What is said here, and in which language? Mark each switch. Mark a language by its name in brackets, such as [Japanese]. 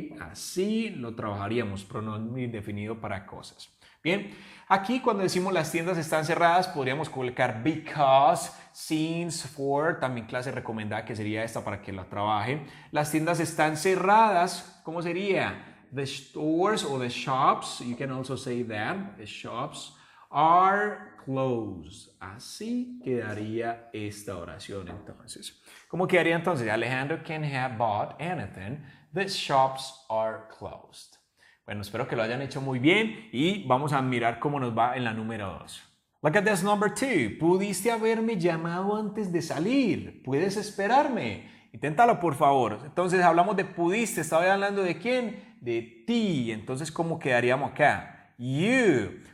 [Spanish] Así lo trabajaríamos, pronombre indefinido para cosas. Bien, aquí cuando decimos las tiendas están cerradas, podríamos colocar because, since, for, también clase recomendada que sería esta para que la trabaje. Las tiendas están cerradas, ¿cómo sería? [English] The stores or the shops, you can also say that, the shops are closed. [Spanish] Así quedaría esta oración entonces. ¿Cómo quedaría entonces? [English] Alejandro can have bought anything, the shops are closed. [Spanish] Bueno, espero que lo hayan hecho muy bien y vamos a mirar cómo nos va en la número 2. [English] Look at this number 2. [Spanish] ¿Pudiste haberme llamado antes de salir? ¿Puedes esperarme? Inténtalo, por favor. Entonces, hablamos de pudiste. ¿Estaba hablando de quién? De ti. Entonces, ¿cómo quedaríamos acá? You.